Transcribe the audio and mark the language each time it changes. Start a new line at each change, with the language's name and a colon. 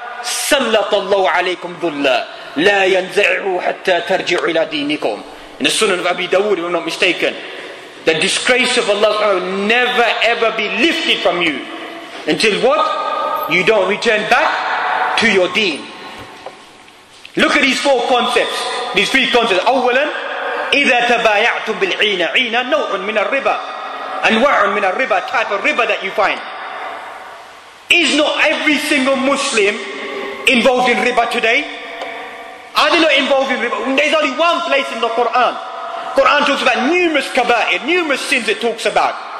Arabic: سَلَّطَ اللَّهُ عَلَيْكُمْ ذُلَّا لَا يَنْزَعُوا حَتَّى تَرْجِعُوا إِلَى دِينِكُمْ.
English: In the Sunan of Abi Dawood, if I'm not mistaken, the disgrace of Allah subhanahu wa ta'ala will never ever be lifted from you. Until what? You don't return back to your deen. Look at these four concepts. These three concepts.
Arabic: أولاً إذا تبايعتم بالعينة. عينة نوع من الربا. أنواع من الربا.
English: Type of ربا that you find. Is not every single Muslim involved in ربا today? Are they not involved in ربا? There's only one place in the Quran. Quran talks about numerous kaba'ir, numerous sins it talks about.